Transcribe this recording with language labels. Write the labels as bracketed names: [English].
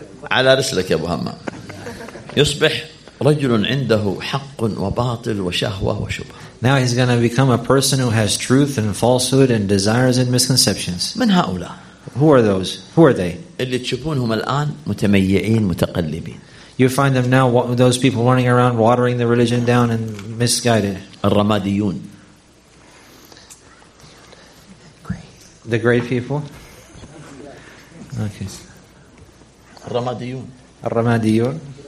[Arabic] على رسلك يا أبو همام يصبح رجل عنده حق وباطل وشهوة وشبه. [English] Now he's going to become a person who has truth and falsehood and desires and misconceptions. [Arabic] من هؤلاء؟ [English] Who are those? Who are they? [Arabic] اللي تشوفونهم الآن متميعين متقلبين. [English] You find them now, those people running around watering the religion down and misguided. [Arabic] الرماديون. [English] The great people. Okay. [Arabic] الرماديون. الرماديون.